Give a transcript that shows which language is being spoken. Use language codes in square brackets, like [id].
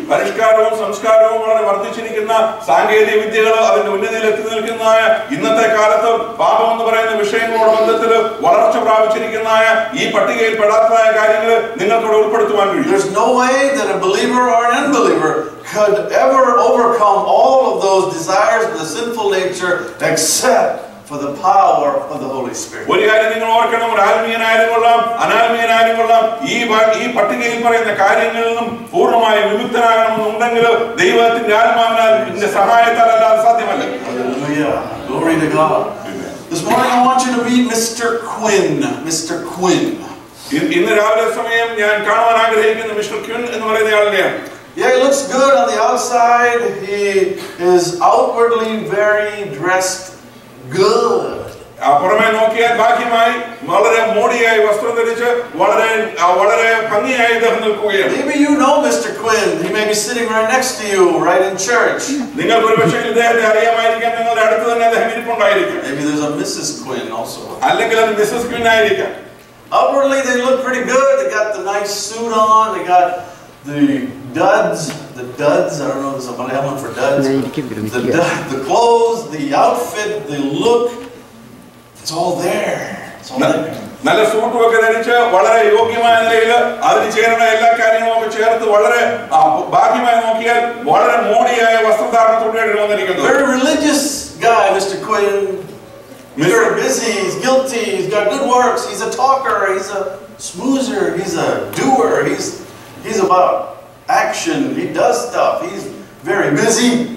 [ml] പരിഷ്കാരവും സംസ്കാരവും വളരെ വർദ്ധിച്ചിരിക്കുന്ന സാങ്കേതിക വിദ്യകൾ അതിന്റെ ഉന്നതിയിൽ എത്തി നിൽക്കുന്നതായ ഇന്നത്തെ കാലത്ത് പാപം എന്ന് പറയുന്ന വിഷയങ്ങളോട് ബന്ധത്തിൽ വളർച്ച പ്രാപിച്ചിരിക്കുന്ന ഈ പട്ടികയിൽ പെടാത്തതായ കാര്യങ്ങൾ നിങ്ങൾക്കൂടെ ഉൾപ്പെടുത്തുവാൻ കഴിയും. [en] There's no way that a believer or an unbeliever could ever overcome all of those desires of the sinful nature except for the power of the Holy Spirit. [ml] ഒരു കാര്യം നിങ്ങൾ ഓർക്കണം, ഒരു ആത്മീയനായാലും കൊള്ളാം അനാത്മീയനായാലും കൊള്ളാം ഈ പട്ടികയിൽ പറയുന്ന കാര്യങ്ങളിൽ നിന്നും പൂർണ്ണമായി വിമുക്തനാകണം എന്നുണ്ടെങ്കിൽ ദൈവത്തിന്റെ ആത്മാവിനാൽ ഇതിന്റെ സഹായത്താൽ അല്ലാതെ സാധ്യമല്ല. [en] Glory to God. This morning I want you to meet Mr. Quinn. Mr. Quinn. [ml] ഇന്ന് രാവിലെ സമയം ഞാൻ കാണുവാൻ ആഗ്രഹിക്കുന്ന മിസ്റ്റർ ക്വിൻ എന്ന് പറയുന്ന ആളിനെയാണ്. [en] Yeah, he looks good on the outside. He is outwardly very dressed good. [ml] അപ്പുറമേ നോക്കിയാൽ ബാക്കിയുമായി വളരെ മോടിയായി വസ്ത്രം ധരിച്ച് വളരെ വളരെ ഭംഗിയായി ഇദ്ദേഹം നിൽക്കുകയാണ്. [en] Maybe you know Mr. Quinn. He may be sitting right next to you, right in church. [ml] നിങ്ങൾ ഒരുപക്ഷേ ഇദ്ദേഹത്തെ അറിയാമായിരിക്കാം. നിങ്ങളുടെ അടുത്ത് തന്നെ അദ്ദേഹം ഇരിപ്പുണ്ടായിരിക്കും. [en] Maybe there's a Mrs. Quinn also. [ml] അല്ലെങ്കിൽ അത് മിസ്സസ് ക്വിൻ ആയിരിക്കാം. [en] Outwardly they look pretty good. They got the nice suit on. They got the duds, I don't know if somebody has one for duds. The clothes, the outfit, the look, it's all there. [ml] നല്ല സൂട്ടും ഒക്കെ ധരിച്ച് വളരെ യോഗ്യമായ നിലയിൽ അതിന് ചേരുന്ന എല്ലാ കാര്യങ്ങളും ഒക്കെ ചേർത്ത് വളരെ ഭാഗ്യമായി നോക്കിയാൽ വളരെ മോഡിയായ വസ്ത്രധാരണത്തോടെയാണ് വന്നിരിക്കുന്നത്. [en] Very religious guy, Mr. Quinn. Mr. Busy, he's guilty, he's got good works, he's a talker, he's a smoozer, he's a doer, he's about action, he does stuff, he's very busy.